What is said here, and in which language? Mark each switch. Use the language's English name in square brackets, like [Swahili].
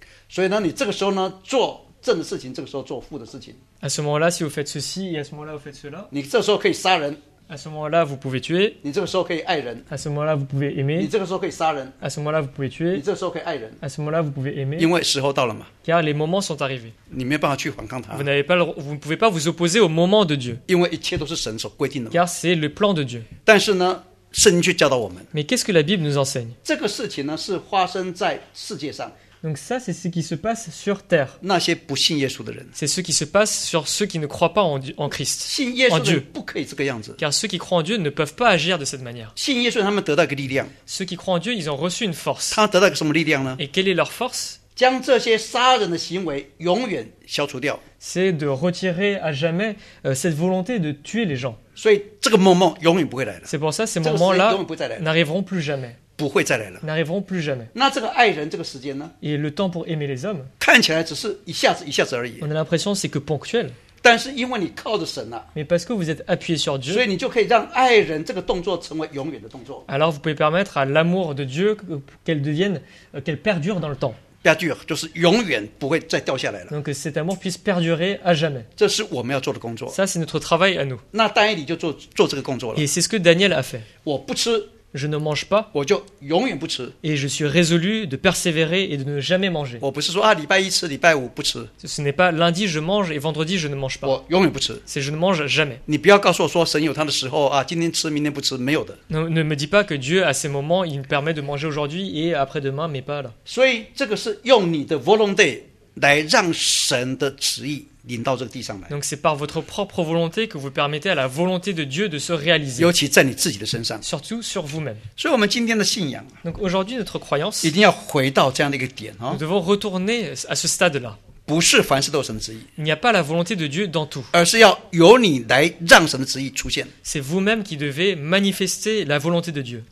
[Chinese] 所以呢，你这个时候呢做。正的事情，这个时候做负的事情。 [French] À ce moment-là, si vous faites ceci, et à ce moment-là, vous faites cela. [Chinese] 你这时候可以杀人。 [French] À ce moment-là, vous pouvez tuer. [Chinese] 你这个时候可以爱人。 [French] À ce moment-là, vous pouvez aimer. [Chinese] 你这个时候可以杀人。 [French] À ce moment-là, vous pouvez tuer. [Chinese] 你这个时候可以爱人。 [French] À ce moment-là, vous pouvez aimer. [Chinese] 因为时候到了嘛。 [French] Car les moments sont arrivés. [Chinese] 你没办法去反抗他。 [French] Vous n'avez pas, vous ne pouvez pas vous opposer au moment de Dieu. [Chinese] 因为一切都是神所规定的。 [French] Car c'est le plan de Dieu. [Chinese] 但是呢，圣经却教导我们。 [French] Mais qu'est-ce que la Bible nous enseigne? [Chinese] 这个事情呢，是发生在世界上。 [French] Donc ça, c'est ce qui se passe sur terre. [Chinese] 那些不信耶稣的人。 [French] C'est ce qui se passe sur ceux qui ne croient pas en Christ. [Chinese] 信耶稣的人不可以这个样子。 [French] Car ceux qui croient en Dieu ne peuvent pas agir de cette manière. [Chinese] 信耶稣，他们得到一个力量。 [French] Ceux qui croient en Dieu, ils ont reçu une force. [Chinese] 他得到一个什么力量呢？ [French] Et quelle est leur force? [Chinese] 将这些杀人的行为永远消除掉。 [French] C'est de retirer à jamais cette volonté de tuer les gens. [Chinese] 所以这个 moment 永远不会来了。 [French] C'est pour ça ces moments-là n'arriveront plus jamais. [Chinese] 不会再来了。 [French] N'arriveront plus jamais. [Chinese] 那这个爱人这个时间呢？ [French] Et le temps pour aimer les hommes? [Chinese] 看起来只是一下子一下子而已。 [French] On a l'impression c'est que ponctuel. [Chinese] 但是因为你靠着神啊, [French] mais parce que vous êtes appuyé sur Dieu, [Chinese] 所以你就可以让爱人这个动作成为永远的动作。 [French] Alors vous pouvez permettre à l'amour de Dieu qu'elle devienne, qu'elle perdure dans le temps. [Chinese] Perdure, 就是永远不会再掉下来了。 [French] Donc cet amour puisse perdurer à jamais. [Chinese] 这是我们要做的工作。 [French] Ça, c'est notre travail à nous. [Chinese] 那丹以理就做这个工作了。 [French] Et c'est ce que Daniel a fait. [Chinese] 我不吃。 [French] Je ne mange pas. [Chinese] 我就永远不吃。 [French] Et je suis résolu de persévérer et de ne jamais manger. [Chinese] 我不是说啊，礼拜一吃，礼拜五不吃。 [French] Ce n'est pas lundi je mange et vendredi je ne mange pas. [Chinese] 我永远不吃。 [French] C'est je ne mange jamais. [Chinese] 你不要告诉我说神有他的时候啊，今天吃，明天不吃，没有的。 [French] Ne me dis pas que Dieu à ces moments il me permet de manger aujourd'hui et après demain mais pas là. [Chinese] 所以这个是用你的 volonté 来让神的旨意。 [French] Donc c'est par votre propre volonté que vous permettez à la volonté de Dieu de se réaliser. Surtout sur vous-même. Donc aujourd'hui notre croyance, nous devons retourner à ce stade-là. Il n'y a pas la volonté de Dieu dans tout. C'est vous-même qui devez manifester la volonté de Dieu.